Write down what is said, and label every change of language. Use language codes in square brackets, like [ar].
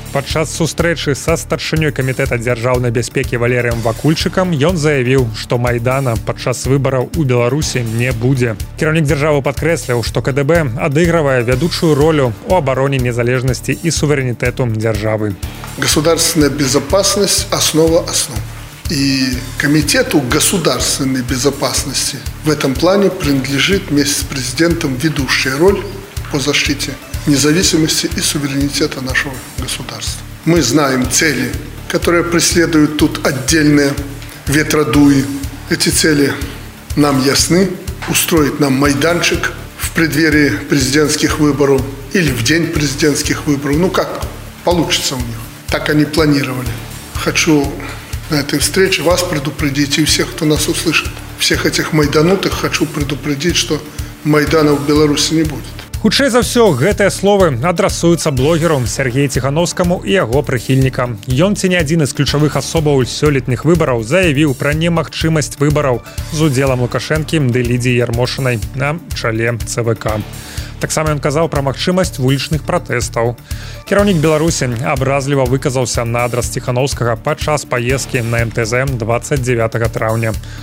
[be] Падчас сустрэчы са старшынёй камітэта дзяржаўнай бяспекі Валерыем Вакульчыкам ён заявіў, што Майдана падчас выбараў у Беларусі не будзе. Кіраўнік дзяржавы падкрэсліў, што КДБ адыгрывае вядучую ролю ў абароне незалежнасці і суверэнітэту дзяржавы. [ru] Государственная безопасность – основа основ. И комитету государственной безопасности в этом плане принадлежит вместе с президентом ведущая роль по защите независимости и суверенитета нашего государства. Мы знаем цели, которые преследуют тут отдельные ветродуи. Эти цели нам ясны. Устроить нам майданчик в преддверии президентских выборов или в день президентских выборов. Ну как получится у них. Так они планировали. Хочу на этой встрече вас предупредить и всех, кто нас услышит. Всех этих майданутых хочу предупредить, что Майдана в Беларуси не будет. [be] Хутчэй за ўсё, гэтыя словы адрасуюцца блогеру Сергею Ціхановскаму і яго прыхільнікам. Ён ці не адзін з ключавых асобаў сёлетніх выбараў заявіў пра немагчымасць выбараў з удзелам Лукашэнкі ды Лідзіі Ярмошынай на чале ЦВК. Таксама ён казаў пра магчымасць вулічных пратэстаў. Кіраўнік Беларусі абразліва выказаўся на адрас Ціхановскага падчас паездкі на МТЗ 29 траўня.